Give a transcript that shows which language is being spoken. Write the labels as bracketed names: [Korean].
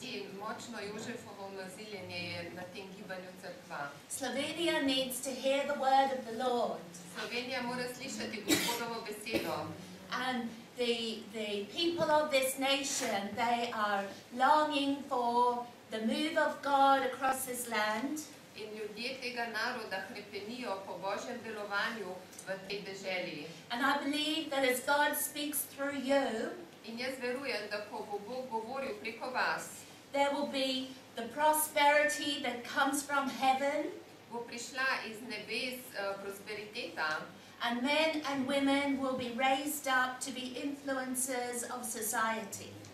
[Slovenian] In močno Jozefovo maziljenje je na tem gibanju cerkva. [English] Slovenia needs to hear the word of the Lord. [Slovenian] Slovenija mora slišati Gospodovo besedo. [English] And the people of this nation, they are longing for the move of God across this land. [Slovenian] In ljudje tega naroda hrepenijo po Božjem delovanju v tej deželi. [English] And I believe that as God speaks through you, [Slovenian] in jaz verujem, da ko bo Bog govoril preko vas, [English] there will be the prosperity that comes from heaven, [Slovenian] bo prišla iz nebes prosperiteta. [English] And men and women will be raised up to be influencers of society.